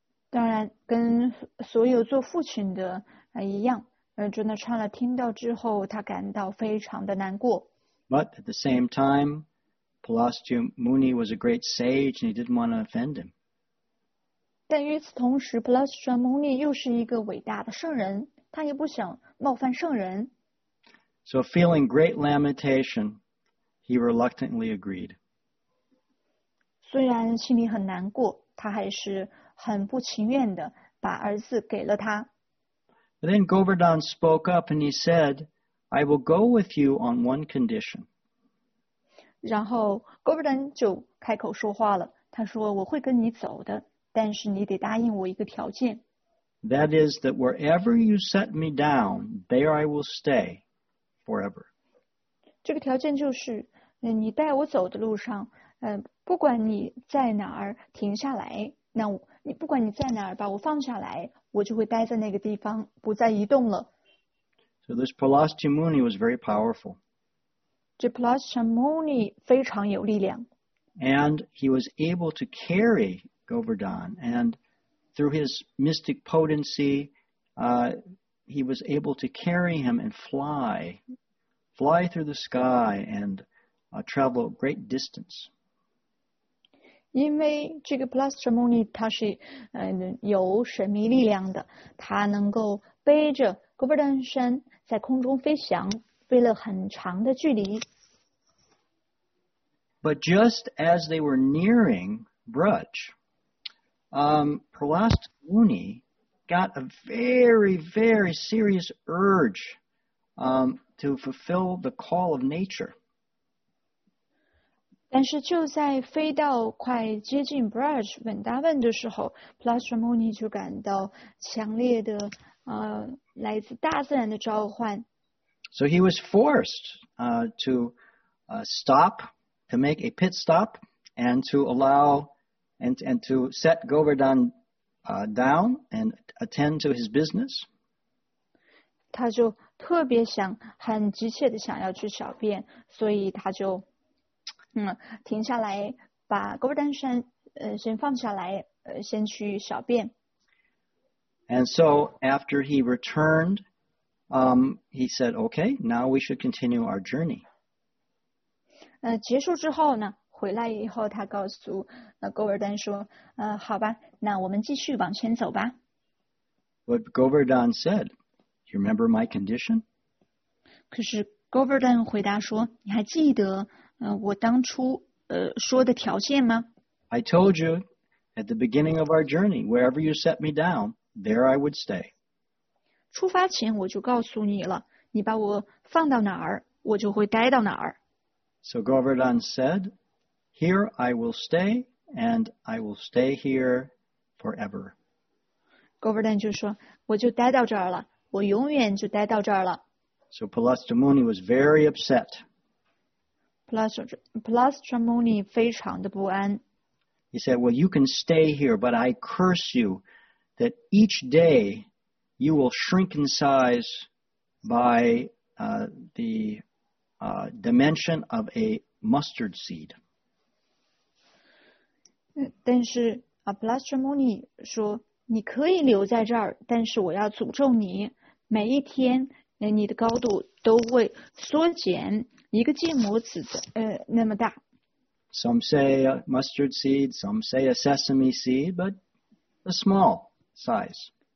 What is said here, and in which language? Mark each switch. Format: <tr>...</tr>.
<zh>当然跟所有做父亲的一样Dronachala 听到之后他感到非常的难过。</zh> <en>But at the same time, Palastramuni was a great sage and he didn't want to offend him.</en> <zh>但与此同时 Palastramuni 又是一个伟大的圣人他也不想冒犯圣人。</zh> <en>So feeling great lamentation, he reluctantly agreed.</en> <zh>虽然心里很难过他还是很不情愿的把儿子给了他。</zh> <en>But then Govardhan spoke up and he said, I will go with you on one condition.</en> <zh>然后 Govardhan 就开口说话了。他说我会跟你走的但是你得答应我一个条件。</zh> <en>That is that wherever you set me down, there I will stay forever.</en> <zh>这个条件就是你带我走的路上不管你在哪儿停下来那我你不管你在哪儿把我放下来我就会待在那个地方不再移动了。</zh> <en>So this Palastramuni was very powerful.</en> <zh>这 Palastramuni 非常有力量。</zh> <en>And he was able to carry Govardhan and through his mystic potency, he was able to carry him and fly through the sky and travel great distance.</en> <zh>因为这个 Palastramuni 他是有神秘力量的他能够背着 Govardhan 山在空中飞翔飞了很长的距离。</zh> <en>But just as they were nearing Braj, Palastramuni got a very, very serious urge to fulfill the call of nature.</en> <zh>但是就在飞到快接近 Braj 稳达问的时候 Palastramuni 就感到强烈的来自大自然的召唤。</zh> <en>So he was forced to stop, to make a pit stop, and to allow, and to set Govardhan down and attend to his business.</en> <zh>他就特别想很急切的想要去小便所以他就停下来把 Govardhan 山先放下来先去小便。</zh> <en>And so after he returned, he said, okay, now we should continue our journey.</en> <zh>结束之后呢回来以后他告诉 Govardhan 说好吧那我们继续往前走吧。</zh> <en>But Govardhan said, you remember my condition?</en> <zh>可是 Govardhan 回答说你还记得我当初说的条件吗</zh> <en>I told you at the beginning of our journey, wherever you set me down, there I would stay.</en> <zh>出发前我就告诉你了你把我放到哪儿我就会待到哪儿。</zh> <en>So Govardhan said, here I will stay, and I will stay here forever.</en> <zh>Govardhan 就说我就待到这儿了我永远就待到这儿了。</zh> <en>So Palastramuni was very upset.</en> <zh>Palastramuni 非常的不安。</zh> <en>He said, well, you can stay here, but I curse you that each day you will shrink in size by the dimension of a mustard seed.</en> <zh>但是Palastramuni 说你可以留在这儿但是我要诅咒你每一天你的高度都会缩减一个芥末籽那么大。</zh> <en>Some say a mustard seed, some say a sesame seed, but a small size.</en>